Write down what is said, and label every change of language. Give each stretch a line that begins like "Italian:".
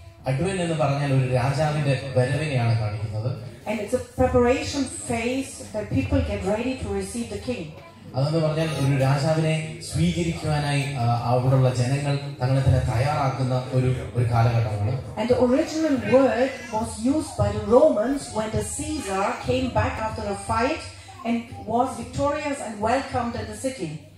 Malayalam: Advent എന്ന് പറഞ്ഞാൽ ഒരു രാജാവിന്റെ വരവിനെയാണ് കാണിക്കുന്നത്.
English: And it's a preparation phase that people get ready to receive the king.
Malayalam: അതെന്ന് പറഞ്ഞാൽ ഒരു രാജാവിനെ സ്വീകരിക്കുവാനായി അവിടെയുള്ള ജനങ്ങൾ തങ്ങളെ തന്നെ തയ്യാറാക്കുന്ന ഒരു ഒരു കാലഘട്ടമാണ്.
English: And the original word was used by the Romans when the Caesar came back after a fight and was victorious and welcomed in the city.